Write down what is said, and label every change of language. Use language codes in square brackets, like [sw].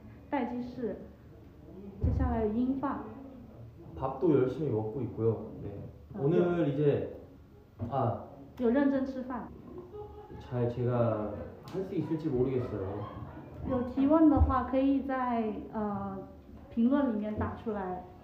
[zh] 最近在努力活动，然后现在在待机室，接下来音放。 [ko] 밥도 열심히 먹고 있고요. 네. 오늘 이제 아. [zh] 有认真吃饭. [ko] 잘 제가 할 수 있을지 모르겠어요. [zh] 有提问的话，可以在评论里面打出来。